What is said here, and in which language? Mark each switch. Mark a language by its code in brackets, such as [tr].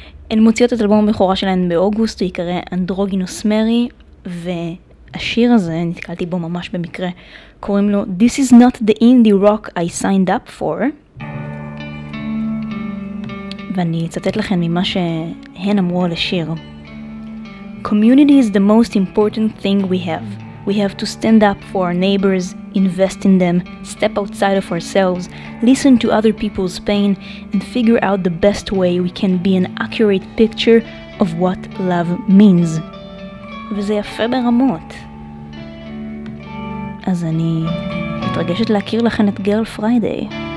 [he] הן מוציאות את אלבום הבכורה שלהן באוגוסט, הוא יקרא אנדרוגינוס מרי, והשיר הזה, נתקלתי בו ממש במקרה, קוראים לו This is not the indie rock I signed up for. ואני אצטט לכם ממה שהן אמרו על השיר. [en] Community is the most important thing we have. We have to stand up for our neighbors, invest in them, step outside of ourselves, listen to other people's pain, and figure out the best way we can be an accurate picture of what love means. [he] וזה יפה ברמות. אז אני מתרגשת להכיר לכם את גרל פריידי.